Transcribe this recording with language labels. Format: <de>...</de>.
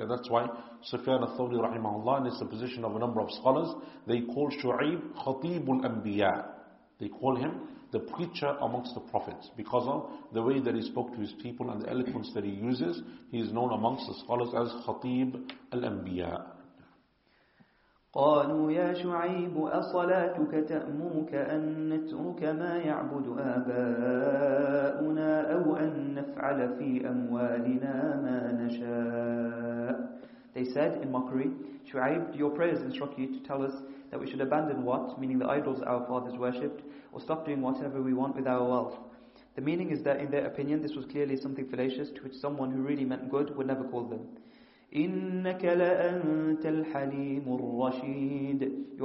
<en>And that's why Sufyan al-Thawri rahimahullah, and it's the position of a number of scholars, they call Shu'aib Khatibul Anbiya. They call him the preacher amongst the prophets because of the way that he spoke to his people and the eloquence that he uses. He is known amongst the scholars as Khatib al-Anbiya.</en> <ar>قالوا يا شعيب أصلاتك تأمرك أن نترك ما يعبد آباؤنا أو أن نفعل في أموالنا ما نشاء.</ar> <en>They said in mockery, Shu'aib, do your prayers instruct you to tell us that we should abandon what, meaning the idols our fathers worshipped, or stop doing whatever we want with our wealth? The meaning is that in their opinion this was clearly something fallacious to which someone who really meant good would never call them.</en> <ar>إِنَّكَ لَأَنْتَ الْحَلِيمُ الرَّشِيدُ</ar>